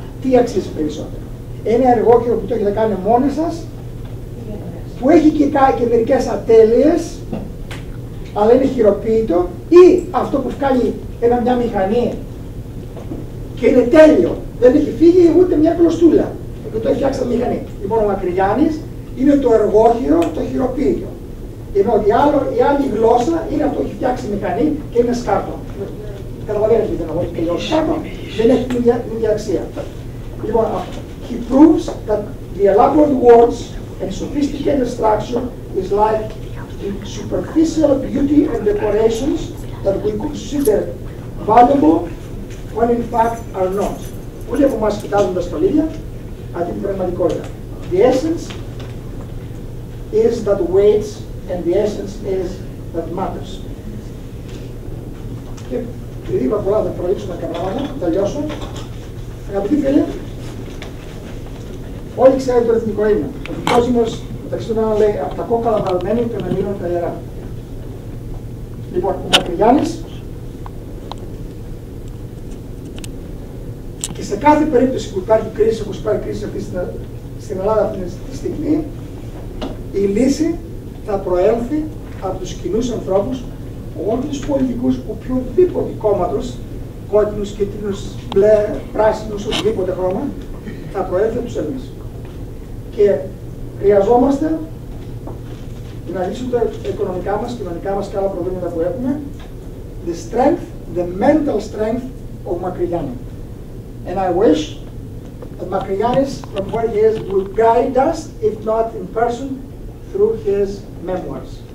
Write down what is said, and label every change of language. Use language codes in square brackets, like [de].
[el] Τι αξίζει περισσότερο. Ένα εργόχειρο που το έχετε κάνει μόνοι σας, που έχει και μερικές ατέλειες, αλλά είναι χειροποίητο, ή αυτό που βγάλει μια μηχανή και είναι τέλειο, δεν έχει φύγει ούτε μια κλωστούλα και το έχει φτιάξει τη μηχανή. Λοιπόν, ο Μακρυγιάννης είναι το εργόχειρο, το χειροποίητο. Ενώ η άλλη γλώσσα είναι αυτό που έχει φτιάξει μηχανή και είναι σκάρτο. Καταλαβαίνετε τι εννοώ. Και ο σκάρτο δεν έχει την ίδια αξία. [en] Λοιπόν, he proves that the elaborate words and sophisticated structure is like the superficial beauty and decorations that we consider valuable when in fact are not. [el] Όλοι από εμάς κοιτάζουν τα σπαλίδια, αλλά την πραγματικότητα. [en] The essence is that weights and the essence is that matters. [el] Και επειδή είπα πολλά, θα προλήξω τα καμπράματα, θα τελειώσω. Αγαπητοί φίλοι, όλοι ξέρετε το εθνικό ύμνο. Ο δικός ύμνος, μεταξύ των άλλων, λέει «Απ' τα κόκκαλα βαλμένη και να μείνουν τα ιερά». Λοιπόν, ο Μακρυγιάννης, και σε κάθε περίπτωση που υπάρχει κρίση, όπως υπάρχει κρίση αυτή στην Ελλάδα αυτή τη στιγμή, η λύση θα προέλθει από τους κοινούς ανθρώπους, όποιους πολιτικούς οποιοδήποτε κόμματος, κόκκινους, κίτρινους, μπλε, πράσινους, οποιοδήποτε χρώμα, θα προέλθει τους Έλληνες. Και χρειαζόμαστε να λύσουμε τα οικονομικά μας, κοινωνικά μας και άλλα προβλήματα που έχουμε, the strength, the mental strength of Μακρυγιάννη. [en] And I wish that Μακρυγιάννης, from where he is, will guide us, if not in person, through his memoirs.